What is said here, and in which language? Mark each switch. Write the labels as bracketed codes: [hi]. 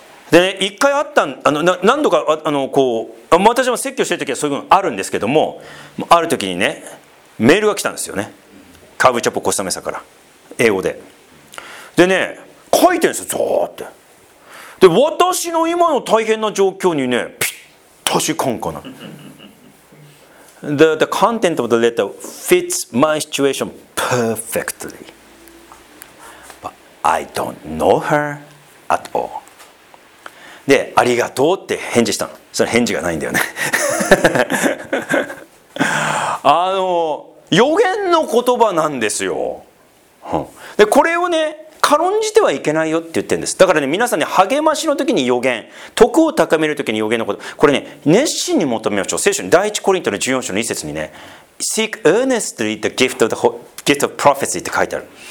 [ja] で、ね、一回あったん、何度かこう私も説教してる時はそういうのあるんですけども、ある時にねメールが来たんですよね、カブチャポコスタメサから英語で。でね、書いてるんですよ、ザーって。で私の今の大変な状況にねぴったし感かな。 [en] The content of the letter fits my situation perfectly but I don't know her at all。 [ja] でありがとうって返事したの。その返事がないんだよね。予言の言葉なんですよ、うん、でこれをね軽んじてはいけないよって言ってるんです。だからね、皆さんね、励ましの時に予言、徳を高める時に予言のこと、これね熱心に求めましょう。聖書に第一コリントの14章の1節にね、 [en] Seek earnestly the gift of theGift of prophecy [ja] って書いてある。